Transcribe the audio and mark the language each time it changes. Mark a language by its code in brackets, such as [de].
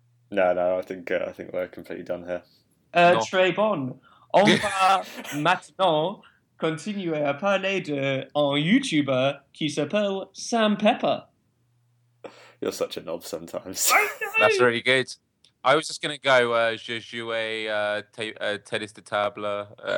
[en] No, I think we're completely done here. [fr] Très bon. On va maintenant continuer à parler de un YouTuber qui s'appelle Sam Pepper. [en] You're such a knob sometimes. That's really good. I was just going to go, [fr] je jouais tennis de table.